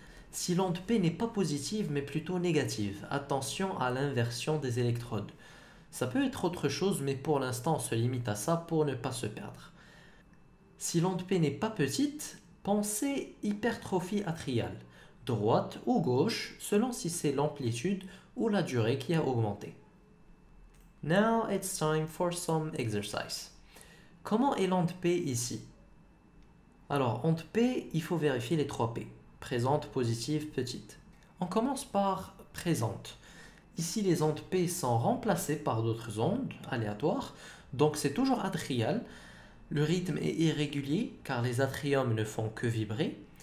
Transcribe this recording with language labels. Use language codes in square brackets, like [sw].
[fr] Si l'onde P n'est pas positive mais plutôt négative, attention à l'inversion des électrodes. Ça peut être autre chose mais pour l'instant on se limite à ça pour ne pas se perdre. Si l'onde P n'est pas petite, pensez hypertrophie atriale, droite ou gauche, selon si c'est l'amplitude ou la durée qui a augmenté. [en] Now it's time for some exercise. [fr] Comment est l'onde P ici? Alors, onde P, il faut vérifier les trois P. Présente, positive, petite. On commence par présente. Ici, les ondes P sont remplacées par d'autres ondes aléatoires, donc c'est toujours atrial. Le rythme est irrégulier car les atriums ne font que vibrer.